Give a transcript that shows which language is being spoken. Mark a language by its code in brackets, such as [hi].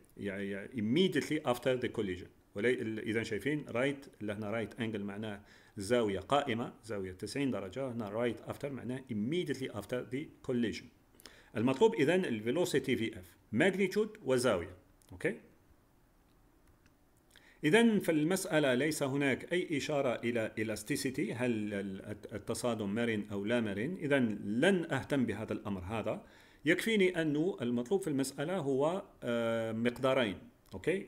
[en] يعني immediately after the collision. [ar] إذا شايفين right لهنا right angle معناه زاوية قائمة زاوية 90 درجة. هنا right after معناه [en] immediately after the collision. [ar] المطلوب إذن الـ velocity VF magnitude وزاوية. [en] Okay. [ar] إذن فالمسألة ليس هناك أي إشارة إلى elasticity، هل التصادم مرن أو لا مرن. إذن لن أهتم بهذا الأمر. هذا يكفيني أنه المطلوب في المسألة هو مقدارين. أوكي.